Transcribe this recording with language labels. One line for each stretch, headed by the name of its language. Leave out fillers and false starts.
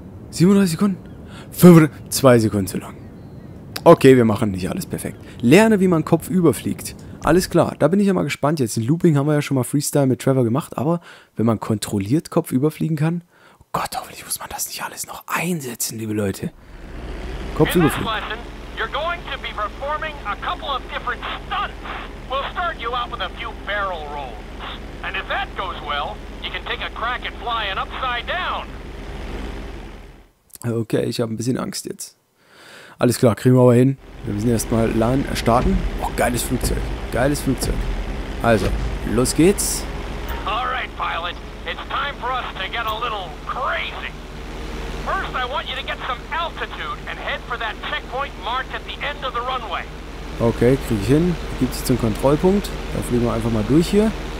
German: 37 Sekunden. 2 Sekunden zu lang. Okay, wir machen nicht alles perfekt. Lerne, wie man Kopf überfliegt. Alles klar, da bin ich ja mal gespannt. Jetzt den Looping haben wir ja schon mal Freestyle mit Trevor gemacht, aber wenn man kontrolliert Kopf überfliegen kann, Gott, hoffentlich muss man das nicht alles noch einsetzen, liebe Leute. Kopf überfliegen.
English: You're going to be performing a couple of different stunts. We'll start you out with a few barrel rolls. And if that goes well, you can take a crack at flying upside down.
German: Okay, ich habe ein bisschen Angst jetzt. Alles klar, kriegen wir aber hin. Wir müssen erstmal starten. Oh, geiles Flugzeug. Geiles Flugzeug. Also, los geht's.
English: Alright, Pilot. It's time for us to get a little crazy. First, I want you to get some altitude and head for that checkpoint marked at the end of the runway.
German: Okay, krieg ich hin. Gibt's jetzt einen Kontrollpunkt. Da fliegen wir einfach mal durch hier.